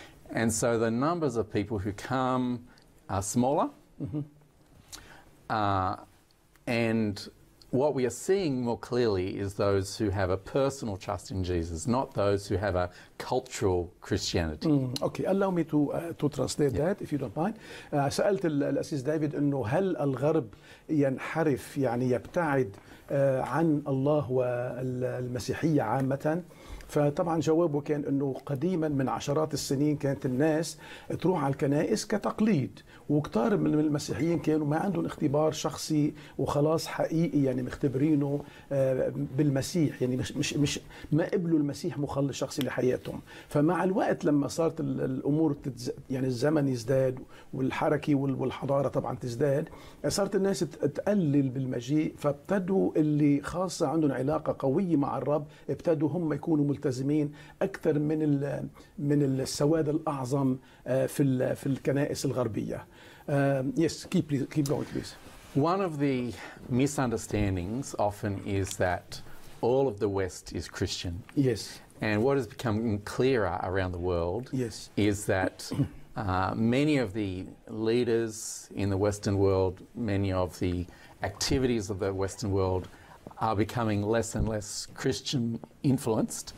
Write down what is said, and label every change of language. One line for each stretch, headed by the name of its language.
English: And so the numbers of people who come are smaller. Mm-hmm. And what we are seeing more clearly is those who have a personal trust in Jesus, not those who have a cultural Christianity. Okay, allow me to translate that, if you don't mind.
Arabic: سألت الأسيس ديفيد أنه هل الغرب ينحرف، يعني يبتعد عن الله والمسيحية عامة؟ فطبعا جوابه كان انه قديما من عشرات السنين كانت الناس تروح على الكنائس كتقليد، وكتار من المسيحيين كانوا ما عندهم اختبار شخصي وخلاص حقيقي يعني مختبرينه بالمسيح، يعني مش مش مش ما قبلوا المسيح مخلص شخصي لحياتهم. فمع الوقت لما صارت الامور يعني الزمن يزداد والحركه والحضاره طبعا تزداد، صارت الناس تقلل بالمجيء، فابتدوا اللي خاصه عندهم علاقه قويه مع الرب ابتدوا هم يكونوا ملتزمين اكثر من السواد الاعظم في الكنائس الغربيه.
English: Yes, keep going, please. One of the misunderstandings often is that all of the West is Christian. Yes. And what has become clearer around the world, yes, is that many of the leaders in the Western world, many of the activities of the Western world are becoming less and less Christian influenced.